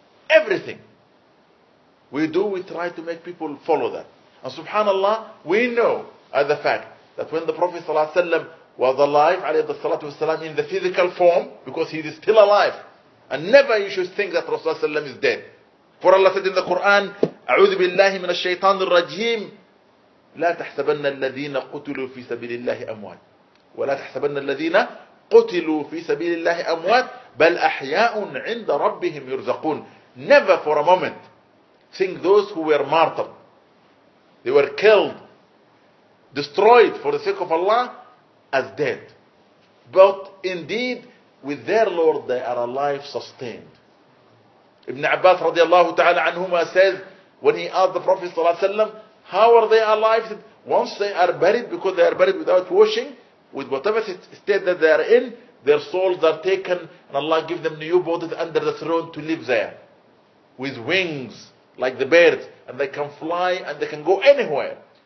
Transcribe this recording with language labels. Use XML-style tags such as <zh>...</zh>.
<en>Everything we do, we try to make people follow that. And subhanAllah, we know as a fact that when the Prophet ﷺ was alive, alayhi salatu wasalam, in the physical form, because he is still alive, and never you should think that Rasulullah ﷺ is dead. For Allah said in the Quran,</en> <ar>أعوذ بالله من الشيطان الرجيم لا تحسبن الذين قتلوا في سبيل الله أموات ولا تحسبن الذين قتلوا في سبيل الله أموات بل أحياء عند ربهم يرزقون.</ar> <en>Never for a moment think those who were martyred, they were killed, destroyed for the sake of Allah, as dead. But indeed, with their Lord they are alive, sustained. Ibn Abbas radiallahu ta'ala anhuma says, when he asked the Prophet ﷺ, how are they alive? He said, once they are buried, because they are buried without washing, with whatever state that they are in, their souls are taken, and Allah gives them new bodies under the throne to live there, with wings, like the birds, and they can fly, and they can go anywhere.</en>